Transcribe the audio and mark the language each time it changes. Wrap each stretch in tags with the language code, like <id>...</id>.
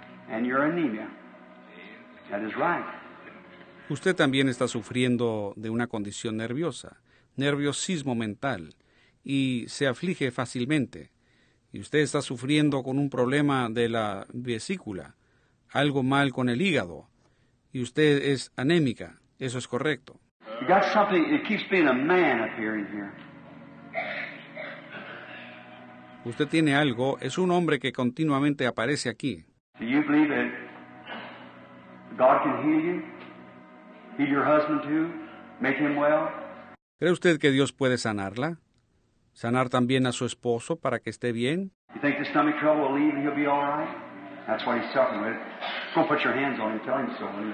<en>And your anemia. That is right.</en> <es>Usted también está sufriendo de una condición nerviosa. Nerviosismo mental y se aflige fácilmente. Y usted está sufriendo con un problema de la vesícula, algo mal con el hígado, y usted es anémica. Eso es correcto.</es> <en>You got something, it keeps being a man appearing here.</en> <es>Usted tiene algo, es un hombre que continuamente aparece aquí.</es> <en>Do you believe that God can heal you? Heal your husband too? Make him well?</en> <es>¿Cree usted que Dios puede sanarla? ¿Sanar también a su esposo para que esté bien?</es> <en>You think the stomach trouble will leave and he'll be all right? That's why he's suffering with it. Go put your hands on him, tell him so.</en>